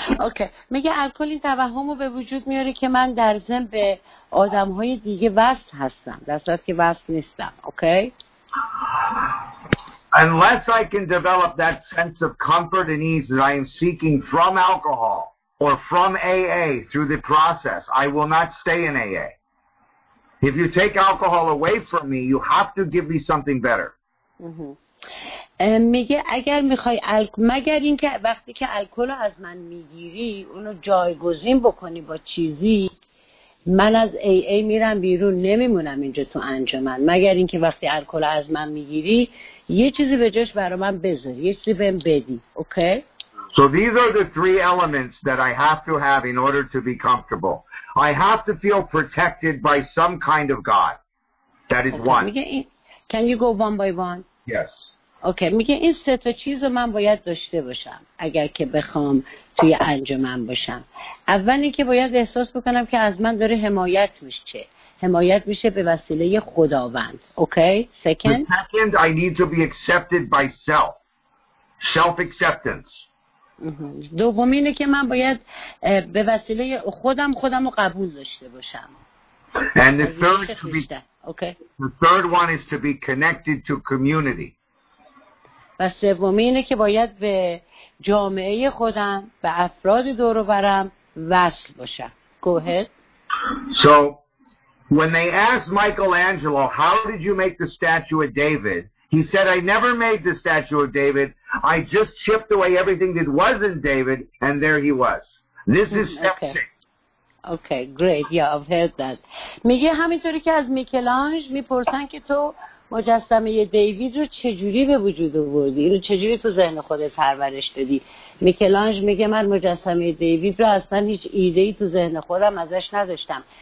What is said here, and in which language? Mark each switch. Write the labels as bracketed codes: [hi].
[en] Okay. [fa] میگه الکل این توهم رو به وجود میاره که من در ذهن به آدم های دیگه وصل هستم، در صورت که وصل نیستم. اوکی؟ [en] Unless I can develop that sense of comfort and ease that I am seeking from alcohol or from AA through the process, I will not stay in AA. If you take alcohol away from me, you have to give me something better. [fa] میگه اگر میخوای مگر اینکه وقتی که الکل رو از من میگیری اونو جایگزین بکنی با چیزی، من از AA میرم بیرون، نمیمونم اینجا تو انجمن. مگر اینکه وقتی الکل از من میگیری یه چیزی به جاش برای من بذاری، یه چیزی بهم بدی. اوکی؟ [en] So these are the three elements that I have to have in order to be comfortable. I have to feel protected by some kind of God. That is okay. one. Can you go one by one? Yes. [fa] اوکی. میگه این سه تا چیز رو من باید داشته باشم اگر که بخوام توی انجمن باشم. اول اینکه باید احساس بکنم که از من داره حمایت میشه. حمایت میشه به وسیله خداوند. اوکی؟ [en] Second? The second, I need to be accepted by self. Self-acceptance. [fa] دوم اینه که من باید به وسیله خودم خودم رو قبول داشته باشم. [en] And the third, to be, okay. the third one is to be connected to community. [fa] و سومی اینه که باید به جامعه خودم، به افراد دور و برم وصل باشم. [en] Go ahead. So, when they asked Michelangelo, how did you make the statue of David? He said, I never made the statue of David. I just chipped away everything that wasn't David, and there he was. This is step okay. six. Okay, great. Yeah, I've heard that. [fa] میگه همینطوری که از میکلانج میپرسن که تو مجسمه دیوید رو چجوری به وجود آوردی؟ رو چجوری تو ذهن خودت پرورش دادی؟ میکلانج میگه من مجسمه دیوید رو اصلا هیچ ایده‌ای تو ذهن خودم ازش نداشتم.